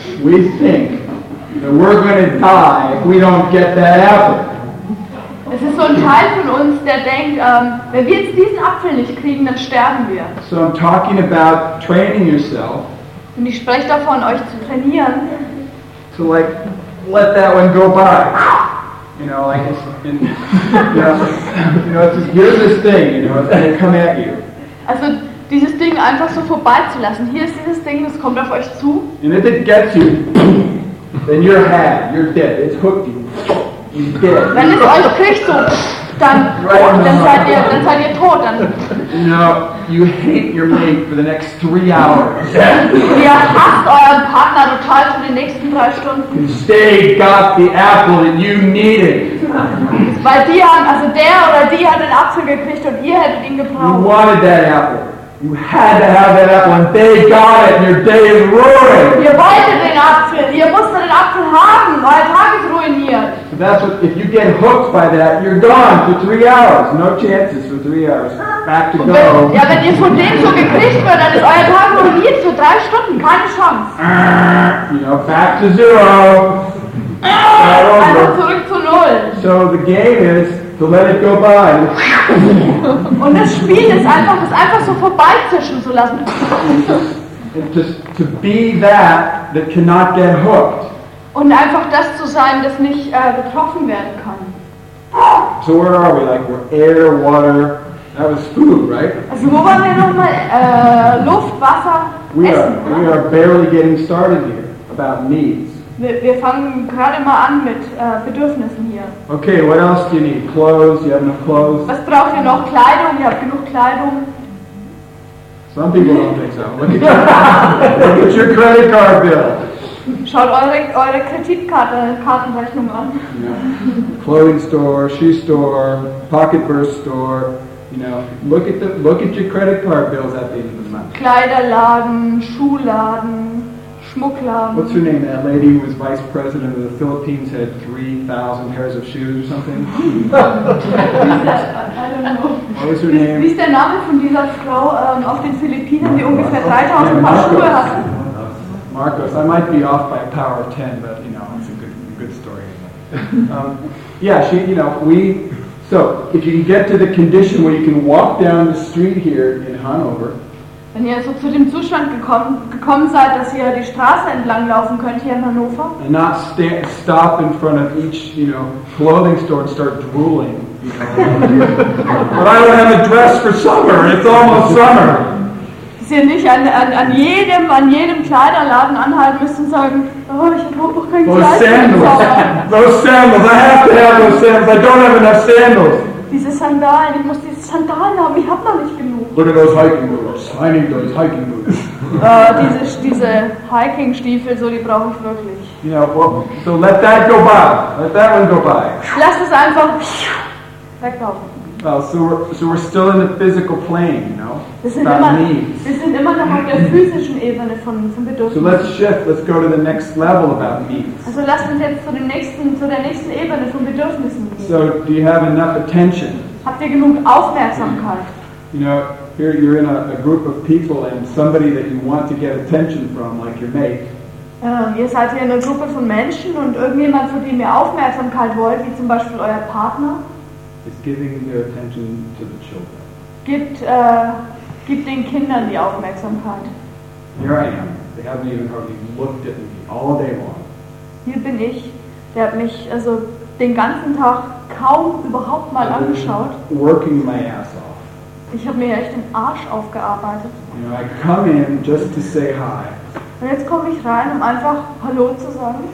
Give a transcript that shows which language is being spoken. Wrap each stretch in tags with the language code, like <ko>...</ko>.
<en>We think that we're going to die if we don't get that apple.</en> <de>Es ist so ein Teil von uns, der denkt, wenn wir jetzt diesen Apfel nicht kriegen, dann sterben wir.</de> <en>So I'm talking about training yourself.</en> <de>Und ich spreche davon, euch zu trainieren.</de> <en>To like let that one go by. You know, like it's, you know, it's just, here's this thing, you know, it's gonna come at you.</en> <de>Also dieses Ding einfach so vorbeizulassen. Hier ist dieses Ding, das kommt auf euch zu.</de> <en>And if it gets you, then you're had, you're dead, it's hooked you.</en> <de>Wenn es euch kriegt, so, dann seid ihr tot. Dann.</de> <en>You know, you hate your mate for the next 3 hours.</en> <de>Ihr hasst euren Partner total für die nächsten 3 Stunden.</de> <en>They got the apple that you needed.</en> <de>Weil die haben, also der oder die hat den Apfel gekriegt und ihr hättet ihn gebraucht.</de> <en>You wanted that apple. You had to have that apple, and they got it, and your day is ruined.</en> <de>Ihr wolltet den Apfel. Ihr musstet den Apfel haben. Euer Tag ist ruiniert.</de> <en>So that's what, if you get hooked by that, you're gone for 3 hours. No chances for 3 hours. Back to go.</en> <de>Ja, wenn ihr von dem so gekriegt wird, dann ist euer Tag ruiniert für 3 Stunden. Keine Chance.</de> <en>You know, back to zero.</en> <de>Also zurück zu null.</de> <en>So the game is, so let it go by.</en> <de>Und das Spiel ist einfach, das einfach so vorbeizischen zu lassen.</de> <en>To be that that cannot get hooked.</en> <de>Und einfach das zu sein, das nicht getroffen werden kann.</de> <en>So where are we? Like we're air, water. That was food, right?</en> <de>Also wo waren wir nochmal? Luft, Wasser,</de> <en>we</en> <de>Essen.</de> <en>We are barely getting started here about needs.</en> <de>Wir fangen gerade mal an mit Bedürfnissen hier.</de> <en>Okay, what else do you need? Clothes? You have enough clothes?</en> <de>Was braucht ihr noch? Kleidung? Ihr habt genug Kleidung?</de> <en>Some people don't think so. Look at your credit card bill.</en> <de>Schaut eure Kreditkarte, Kartenrechnung an. Yeah.</de> <en>Clothing store, shoe store, pocket purse store. You know, look at your credit card bills at the end of the month.</en> <de>Kleiderladen, Schuhladen.</de> <en>What's her name? That lady who was vice president of the Philippines had 3,000 pairs of shoes or something? I don't know. What was her name?</en> <de>Wie ist der Name von dieser Frau auf den Philippinen, die ungefähr 3,000 Paar Schuhe hat?</de> <en>Marcos, I might be off by a power of 10, but you know, it's a good story. So if you can get to the condition where you can walk down the street here in Hanover.</en> <de>Wenn ihr so zu dem Zustand gekommen seid, dass ihr die Straße entlang laufen könnt hier in Hannover.</de> <en>And not stop in front of each, you know, clothing store and start drooling. But I don't have a dress for summer. It's almost summer.</en> <de>Sie nicht an jedem Kleiderladen anhalten müssen und sagen, oh, ich brauche doch kein Kleid.</de> <en>Those sandals. I have to have those sandals. I don't have enough sandals.</en> <de>Diese Sandalen. Ich muss diese Sandalen haben. Ich habe noch nicht genug.</de> <en>Look at those hiking boots. I need those hiking boots.</en> <de>diese Hiking-Stiefel, so die brauche ich wirklich.</de> <en>Yeah, well, so let that go by. Let that one go by.</en> <de>Lass es einfach weglaufen.</de> <en>Well, so we're still in the physical plane, you know?</en> <de>Wir sind immer noch auf der physischen Ebene von Bedürfnissen.</de> <en>So let's shift. Let's go to the next level about needs.</en> <de>Also lass uns jetzt zu der nächsten Ebene von Bedürfnissen gehen.</de> <en>So do you have enough attention?</en> <de>Habt ihr genug Aufmerksamkeit?</de> <en>You know, here you're in a group of people and somebody that you want to get attention from, like your mate.</en> <de>Ihr seid hier in einer Gruppe von Menschen und irgendjemand, von dem ihr Aufmerksamkeit wollt, wie zum Beispiel euer Partner.</de> <en>Is giving your attention to the children.</en> <de>Gibt den Kindern die Aufmerksamkeit.</de> <en>Here I am. They haven't even hardly looked at me all day long.</en> <de>Hier bin ich. Der hat mich also den ganzen Tag kaum überhaupt mal angeschaut.</de> <en>Working my ass off.</en> <de>Ich habe mir echt den Arsch aufgearbeitet.</de> <en>You know, I come in just to say hi.</en> <de>Und jetzt komme ich rein, um einfach Hallo zu sagen.</de>